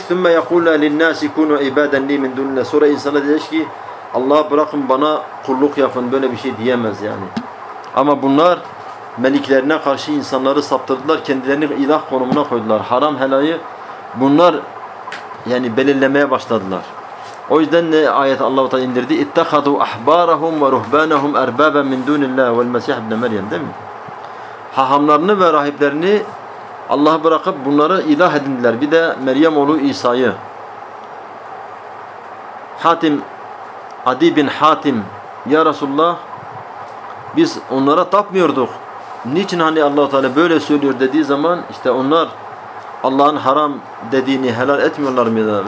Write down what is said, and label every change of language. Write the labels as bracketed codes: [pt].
[ar] ثُمَّ يَقُولَ لِلنَّاسِ كُونُوا عِبَادًا لِي مِنْ دُونِ اللّٰهِ [tr] Sonra insana diyecek ki Allah bırakın bana kulluk yapın, böyle bir şey diyemez yani. Ama bunlar meliklerine karşı insanları saptırdılar, kendilerini ilah konumuna koydular. Haram helayı bunlar yani belirlemeye başladılar. O yüzden ne ayet Allah-u Teala indirdi? [ar] اِتَّخَذُوا اَحْبَارَهُمْ وَرُهْبَانَهُمْ اَرْبَابًا مِنْ دُونِ اللّٰهِ وَالْمَسِيحِ بْنَ مَرْيَمْ [tr] Değil mi? Hahamlarını ve rahiplerini Allah'a bırakıp bunları ilah edindiler. Bir de Meryem oğlu İsa'yı. Hatim, Adi bin Hatim, ya Resulullah biz onlara tapmıyorduk. Niçin hani Allah-u Teala böyle söylüyor dediği zaman, işte onlar Allah'ın haram dediğini helal etmiyorlar mıydı?